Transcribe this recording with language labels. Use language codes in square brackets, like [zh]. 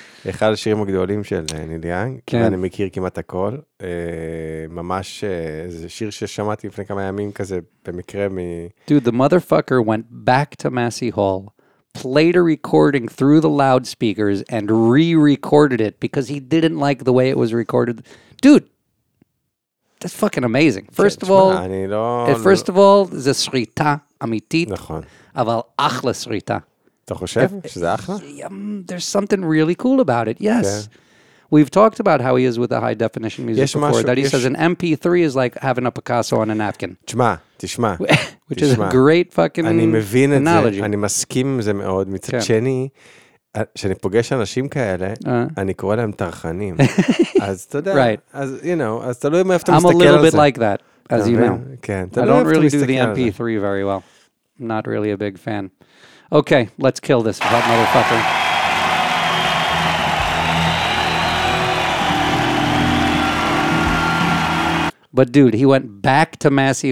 [he] אחד השירים הגדולים של ניל יאנג, ואני מכיר כמעט הכל. ממש, זה שיר ששמעתי לפני כמה ימים כזה, במקרה מ... [en] Dude, the motherfucker went back to Massey Hall, played a recording through the loudspeakers, and re-recorded it, because he didn't like the way it was recorded. Dude, that's fucking amazing. First of all, [he] זה שריטה אמיתית, נכון. אבל אחלה שריטה. אתה חושב שזה אחלה? [en] There's something really cool about it, yes. Yeah. We've talked about how he is with the high definition music before, that he says an MP3 is like having a Picasso on a napkin. [he] תשמע, תשמע. [en] Which is a great fucking analogy. [he] אני מבין את זה, אני מסכים זה מאוד. מצד שני, כשאני פוגש אנשים כאלה, אני קורא להם תרחנים. אז אתה יודע, אז [en] you know, [he] אז תלוי מאיפה אתה מסתכל על זה. [en] I'm a little bit like that, as you know. [he] כן, תלוי איפה אתה מסתכל על זה. [en] I don't really do the MP3 very well. Not really a big fan. Okay, let's kill this hot motherfucker. But dude, he went back to Massey.